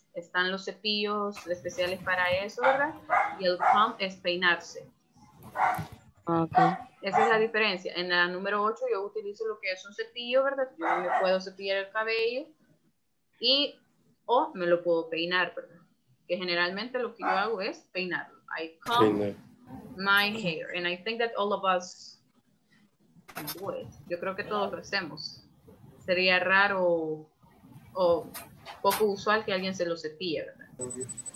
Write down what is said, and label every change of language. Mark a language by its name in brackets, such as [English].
[Spanish] Están los cepillos especiales para eso, ¿verdad? Y el comb es peinarse. Okay. Esa es la diferencia. En la número 8 yo utilizo lo que es un cepillo, ¿verdad? Yo me puedo cepillar el cabello y o me lo puedo peinar, ¿verdad? Que generalmente lo que yo hago es peinarlo. [English] I comb my hair. And I think that all of us do it. [Spanish] Yo creo que todos lo hacemos. Sería raro o poco usual que alguien se lo cepille, ¿verdad?